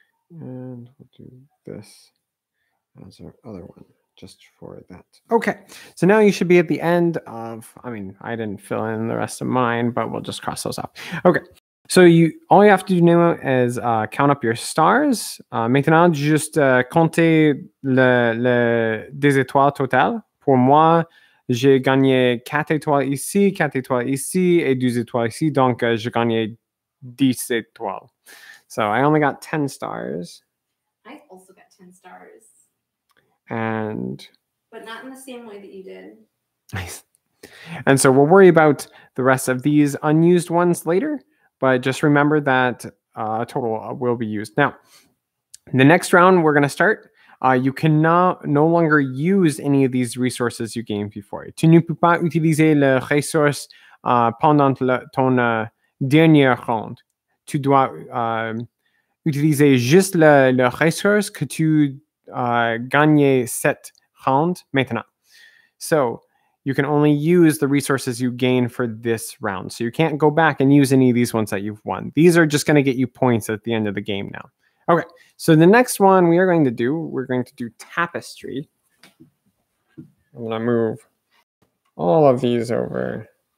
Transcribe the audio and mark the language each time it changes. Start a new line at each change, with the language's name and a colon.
English: And we'll do this as our other one, just for that. Okay, so now you should be at the end of, I mean, I didn't fill in the rest of mine, but we'll just cross those off. Okay, so all you have to do now is count up your stars.
French: Maintenant, just compter le des étoiles totales. Pour moi, j'ai gagné 4 étoiles ici, 4 étoiles ici, et 2 étoiles ici. Donc, j'ai gagné 10 étoiles.
English: So, I only got 10 stars. I also got 10 stars. And... but not in the same way that you did. And so, we'll worry about the rest of these unused ones later. But just remember that a total will be used. Now, the next round, we're going to start. You cannot no longer use any of these resources you gained before.
French: Tu ne peux pas utiliser les ressources pendant ton dernière ronde. Tu dois utiliser juste les ressources que tu gagnes cette ronde maintenant.
English: So you can only use the resources you gain for this round. So you can't go back and use any of these ones that you've won. These are just going to get you points at the end of the game now. Okay, so the next one we're going to do tapestry. I'm going to move all of these over.